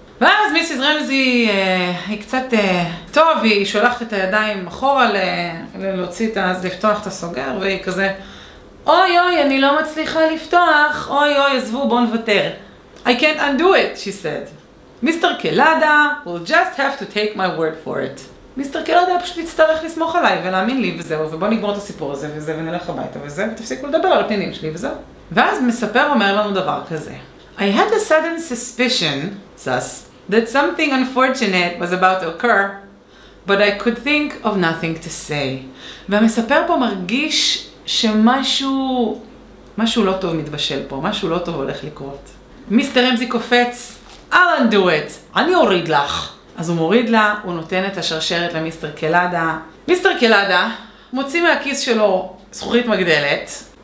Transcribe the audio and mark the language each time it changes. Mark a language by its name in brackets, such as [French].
[Hebrew] ואז מיסיס רמזי היא קצת טוב, היא שולחת את הידיים אחורה להוציא את האז, לפתוח את הסוגר, והיא כזה, אוי אוי, אני לא מצליחה לפתוח, אוי אוי, עזבו, בוא נוותר. [English] I can't undo it, she said. מיסטר קלאדה will just have to take my word for it. [Hebrew] מיסטר קלאדה פשוט יצטרך לסמוך עליי ולהאמין לי וזהו, ובוא נגמור את הסיפור הזה וזה ונלך הביתה וזה, ותפסיקו לדבר על הפנינים שלי וזהו. ואז מספר אומר לנו דבר כזה. [English] I had a sudden suspicion, thus, that something unfortunate was about to occur, but I could think of nothing to say. [Hebrew] והמספר פה מרגיש שמשהו לא טוב מתבשל פה, משהו לא טוב הולך לקרות. מיסטר רמזי קופץ. [English] I'll undo it. [Hebrew] אני אוריד לך. אז הוא מוריד לה, הוא נותן את השרשרת למיסטר קלאדה. מיסטר קלאדה מוציא מהכיס שלו זכוכית מגדלת.